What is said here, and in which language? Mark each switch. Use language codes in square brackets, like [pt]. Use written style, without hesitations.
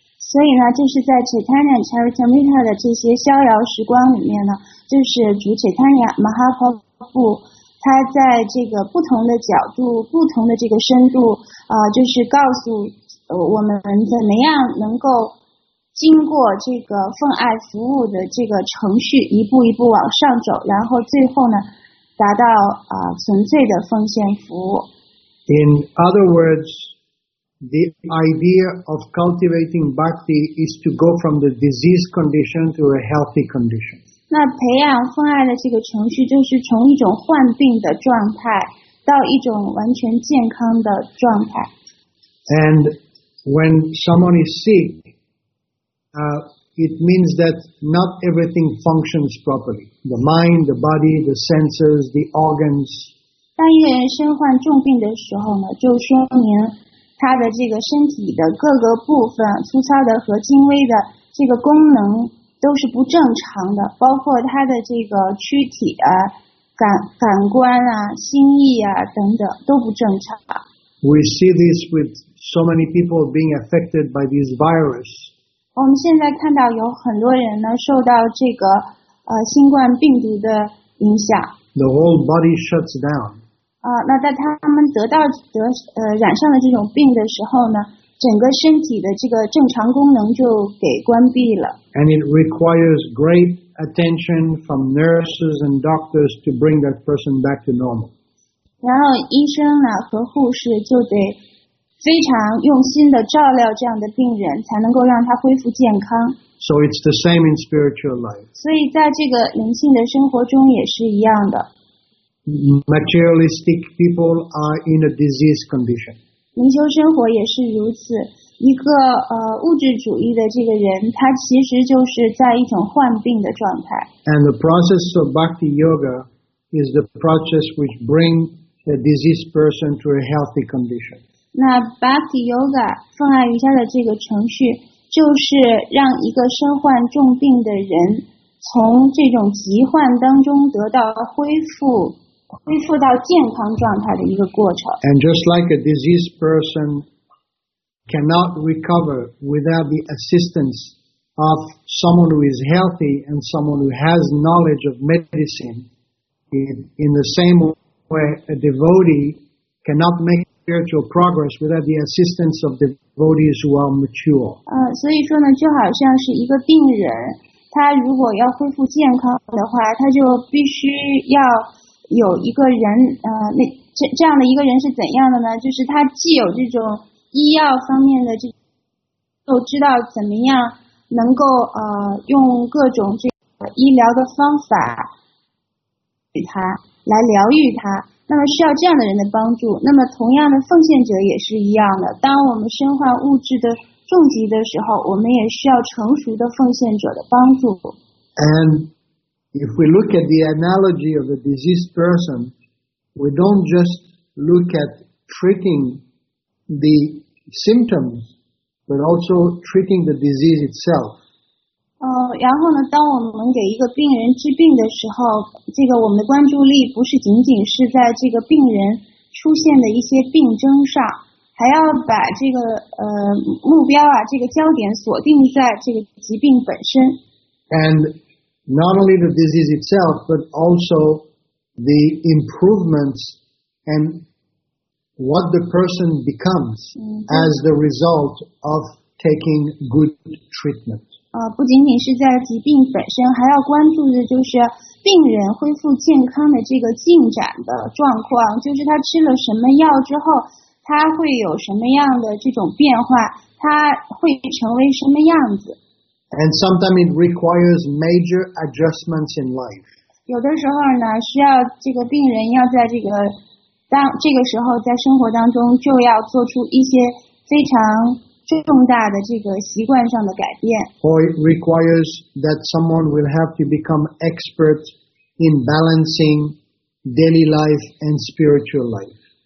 [zh] 所以呢，就是在 Chaitanya Charitamrita 的这些逍遥时光里面呢，就是主 Chaitanya Mahaprabhu 他在这个不同的角度、不同的这个深度，就是告诉我们怎么样能够经过这个奉爱服务的这个程序，一步一步往上走，然后最后呢，达到纯粹的奉献服务。 [en] In other words, the idea of cultivating bhakti is to go from the disease condition to a healthy condition. [zh] 那培养奉爱的这个程序就是从一种患病的状态到一种完全健康的状态。 [en] And when someone is sick, it means that not everything functions properly. The mind, the body, the senses, the organs, [zh] 当一个人身患重病的时候呢，就说明他的这个身体的各个部分，粗糙的和精微的这个功能都是不正常的，包括他的这个躯体啊、感官啊、心意啊等等都不正常。 [en] We see this with so many people being affected by this virus. [zh] 我们现在看到有很多人呢受到这个新冠病毒的影响。 [en] The whole body shuts down. [zh] 那在他们染上了这种病的时候呢，整个身体的这个正常功能就给关闭了。 [en] And it requires great attention from nurses and doctors to bring that person back to normal. [zh] 然后医生呢和护士就得非常用心的照料这样的病人，才能够让他恢复健康。 [en] So it's the same in spiritual life. [zh] 所以在这个灵性的生活中也是一样的。 [en] Materialistic people are in a disease condition. [zh] 灵修生活也是如此。一个物质主义的这个人，他其实就是在一种患病的状态。 [en] And the process of bhakti yoga is the process which brings a diseased person to a healthy condition. [zh] 那 bhakti yoga 奉爱瑜伽的这个程序。就是让一个身患重病的人从这种疾患当中得到恢复到健康状态的一个过程。 [en] And just like a diseased person cannot recover without the assistance of someone who is healthy and someone who has knowledge of medicine, in the same way a devotee cannot make spiritual progress without the assistance of devotees who are mature. [zh] 所以说呢，就好像是一个病人，他如果要恢复健康的话，他就必须要有一个人，这样的一个人是怎样的呢？就是他既有这种医药方面的又知道怎么样能够用各种这个医疗的方法给他来疗愈他。那么需要这样的人的帮助，那么同样的奉献者也是一样的。当我们身患物质的重疾的时候，我们也需要成熟的奉献者的帮助。 [en] And if we look at the analogy of a diseased person, we don't just look at treating the symptoms, but also treating the disease itself. [zh] 然后呢，当我们给一个病人治病的时候，这个我们的关注力不是仅仅是在这个病人出现的一些病征上，还要把这个目标啊，这个焦点锁定在这个疾病本身。 [en] And not only the disease itself, but also the improvements and what the person becomes as the result of taking good treatment. [zh] 不仅仅是在疾病本身，还要关注的就是病人恢复健康的这个进展的状况，就是他吃了什么药之后，他会有什么样的这种变化，他会成为什么样子。 [en] And sometimes it requires major adjustments in life. [zh] 有的时候呢，需要这个病人要在这个时候在生活当中就要做出一些非常重大的这个习惯上的改变。 [en] Or it requires that someone will have to become expert in balancing daily life and spiritual life.